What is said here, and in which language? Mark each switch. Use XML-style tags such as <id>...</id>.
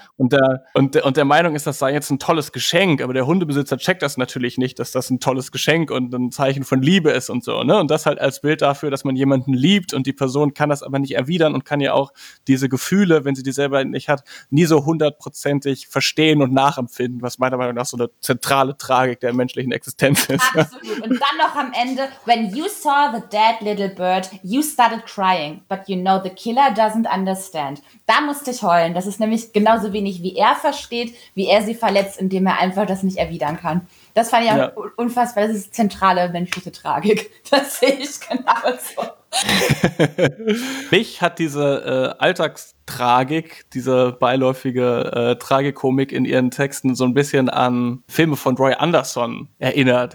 <de>Und der Meinung ist, das sei jetzt ein tolles Geschenk, aber der Hundebesitzer checkt das natürlich nicht, dass das ein tolles Geschenk und ein Zeichen von Liebe ist und so, ne? Und das halt als Bild dafür, dass man jemanden liebt und die Person kann das aber nicht erwidern und kann ja auch diese Gefühle, wenn sie die selber nicht hat, nie so hundertprozentig verstehen und nachempfinden, was meiner Meinung nach so eine zentrale Tragik der menschlichen Existenz ist. Absolut. Und dann noch am Ende,</de> <en>when you saw the dead little bird, you started crying, but you know the killer doesn't understand.</en> <de>Da musste ich heulen. Das ist nämlich genauso wenig, wie er versteht, wie er sie verletzt, indem er einfach das nicht erwidern kann. Das fand ich auch unfassbar. Das ist zentrale menschliche Tragik. Das sehe ich genauso. Mich hat diese Alltagstragik, diese beiläufige Tragikomik in ihren Texten so ein bisschen an Filme von Roy Andersson erinnert.</de>